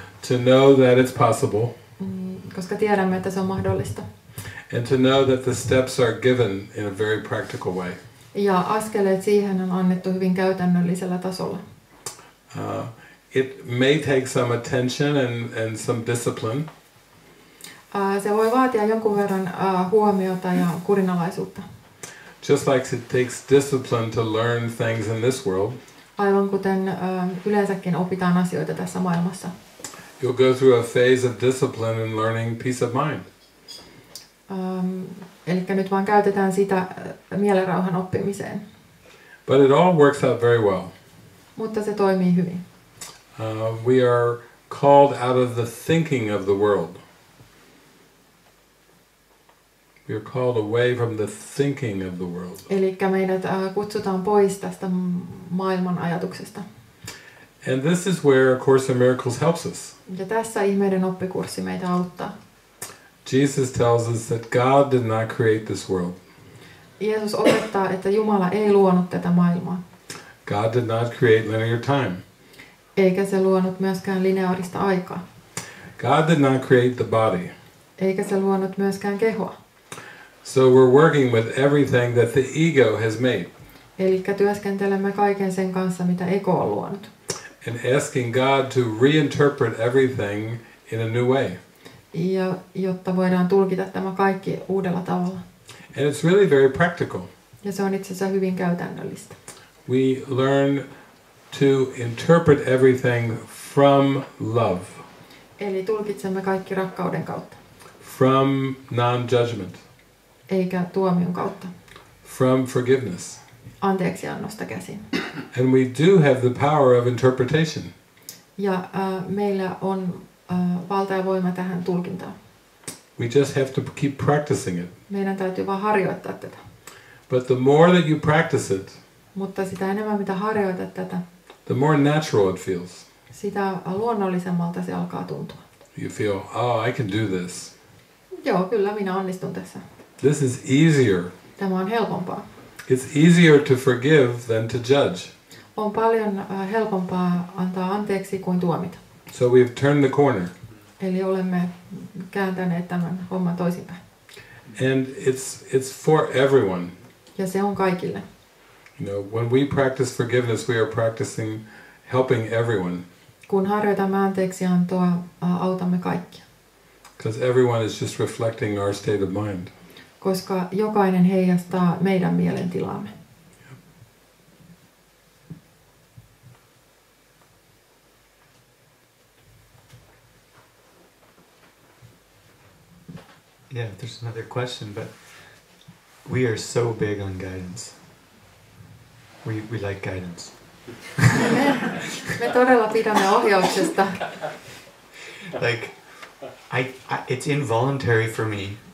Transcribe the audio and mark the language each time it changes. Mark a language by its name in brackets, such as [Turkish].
[English] To know that it's possible. [Finnish] Koska tiedämme, että se on mahdollista. [English] And to know that the steps are given in a very practical way. [Finnish] Ja askeleet siihen on annettu hyvin käytännöllisellä tasolla. [English] It may take some attention and some discipline. [Finnish] Se voi vaatia jonkun verran huomiota ja kurinalaisuutta. [English] Just like it takes discipline to learn things in this world. [Finnish] Aivan kuten yleensäkin opitaan asioita tässä maailmassa. [English] You'll go through a phase of discipline and learning peace of mind. [Finnish] Eli nyt vaan käytetään sitä mielenrauhan oppimiseen. [English] But it all works out very well. [Finnish] Mutta se toimii hyvin. [English] We are called out of the thinking of the world. We are called away from the thinking of the world. [Finnish] Eli meidät kutsutaan pois tästä maailman ajatuksesta. [English] And this is where A Course in Miracles helps us. [Finnish] Ja tässä ihmeiden oppikurssi meitä auttaa. [English] Jesus tells us that God did not create this world. [Finnish] Jeesus opettaa, että Jumala ei luonut tätä maailmaa. [English] God did not create linear time. [Finnish] Eikä se luonut myöskään lineaarista aikaa. [English] God did not create the body. [Finnish] Eikä se luonut myöskään kehoa. [English] So we're working with everything that the ego has made. [Finnish] Elikkä työskentelemme kaiken sen kanssa, mitä ego on luonut. [English] And asking God to reinterpret everything in a new way. [Finnish] Ja jotta voidaan tulkita tämä kaikki uudella tavalla. [English] And it's really very practical. [Finnish] Ja se on itse asiassa hyvin käytännöllistä. [English] We learn to interpret everything from love. [Finnish] Eli tulkitsemme kaikki rakkauden kautta. [English] From non-judgment. [Finnish] Eikä tuomion kautta. [English] From forgiveness. [Finnish] Anteeksiannosta käsin. [English] And we do have the power of interpretation. [Finnish] Ja meillä on valta ja voima tähän tulkintaan. [English] We just have to keep practicing it. [Finnish] Meidän täytyy vaan harjoittaa tätä. [English] But the more that you practice it. [Finnish] Mutta sitä enemmän mitä harjoitat tätä. [English] The more natural it feels. [Finnish] Sitä luonnollisemmalta se alkaa tuntua. [English] You feel, oh, I can do this. [Finnish] Joo, kyllä minä onnistun tässä. [English] This is easier. [Finnish] Tämä on helpompaa. [English] It's easier to forgive than to judge. [Finnish] On paljon helpompaa antaa anteeksi kuin tuomita. [English] So we've turned the corner. [Finnish] Eli olemme kääntäneet tämän homman toisinpäin. [English] And it's for everyone. [Finnish] Ja se on kaikille. [English] You know, when we practice forgiveness, we are practicing helping everyone. [Finnish] Kun harjoitamme anteeksiantoa, autamme kaikkia. [English] Because everyone is just reflecting our state of mind. [Finnish] Koska jokainen heijastaa meidän mielentilaamme. [English] Yeah, there's another question, but we are so big on guidance. We like guidance. [Finnish] Me todella pidämme ohjauksesta. [English] Like, it's involuntary for me.